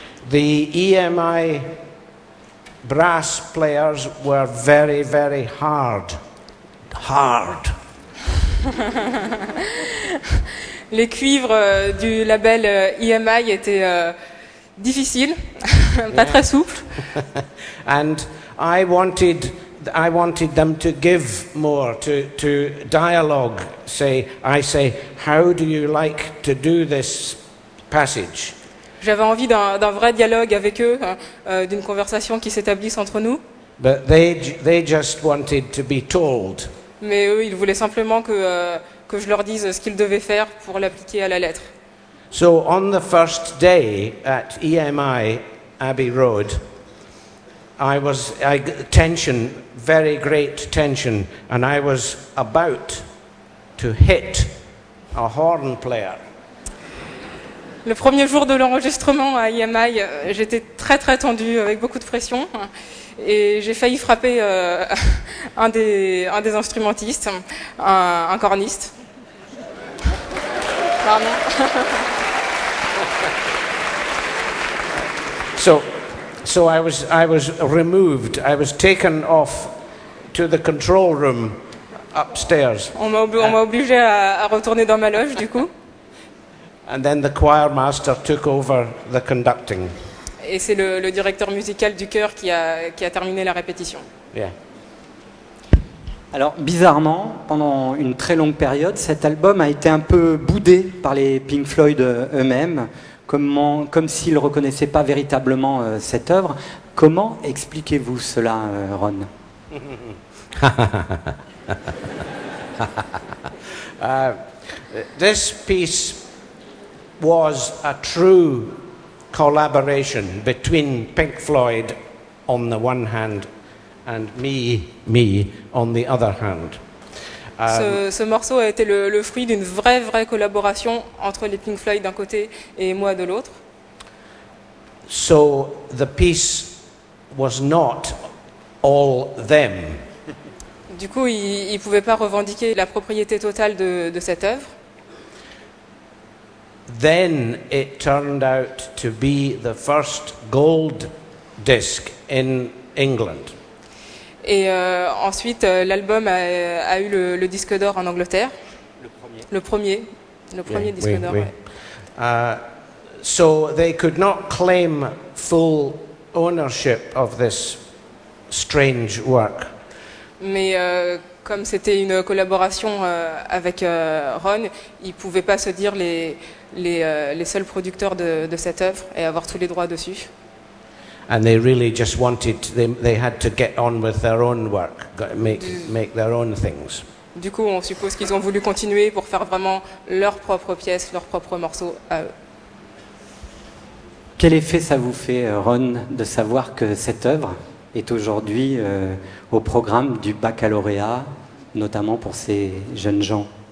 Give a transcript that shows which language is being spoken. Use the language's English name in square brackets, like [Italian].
[English] The EMI brass players were very, very hard. Hard. [French] Les cuivres du label EMI étaient difficiles, pas yeah. Très souples. [English] And I wanted them to give more, to dialogue. I say, how do you like to do this passage? [French] J'avais envie d'un vrai dialogue avec eux, d'une conversation qui s'établisse entre nous. [English] But they just wanted to be told. [French] Mais eux, ils voulaient simplement que je leur dise ce qu'ils devaient faire pour l'appliquer à la lettre. [English] So on the first day at EMI Abbey Road, I was very great tension, and I was about to hit a horn player. [French] Le premier jour de l'enregistrement à EMI, j'étais très très tendu, avec beaucoup de pression, et j'ai failli frapper un des instrumentistes, un corniste. Pardon. [English] So I was removed. I was taken off to the control room upstairs. [French] On m'a obligé à retourner dans ma loge, du coup. [English] And then the choir master took over the conducting. [French] Et c'est le directeur musical du chœur qui a terminé la répétition. [English] Yeah. [French] Alors, bizarrement, pendant une très longue période, cet album a été un peu boudé par les Pink Floyd eux-mêmes, comme s'ils ne reconnaissaient pas véritablement cette œuvre. Comment expliquez-vous cela, Ron? [English] This piece was a true collaboration between Pink Floyd on the one hand and me on the other hand. [French] Ce morceau a été le fruit d'une vraie collaboration entre les Pink Floyd d'un côté et moi de l'autre. [English] So the piece was not all them. [French] Du coup, ils pouvaient pas revendiquer la propriété totale de cette œuvre. [English] Then it turned out to be the first gold disc in England. [French] Et ensuite, l'album a eu le disque d'or en Angleterre. Le premier disque d'or. Oui. [English] So they could not claim full ownership of this strange work. [French] Mais comme c'était une collaboration avec Ron, ils ne pouvaient pas se dire les seuls producteurs de cette œuvre et avoir tous les droits dessus. [English] And they really just wanted they had to get on with their own work, make their own things. [French] Du coup, on suppose qu'ils ont voulu continuer pour faire vraiment leurs propres pièces, leurs propres morceaux à eux. Quel effet ça vous fait, Ron, de savoir que cette œuvre est aujourd'hui au programme du baccalauréat, notamment pour ces jeunes gens?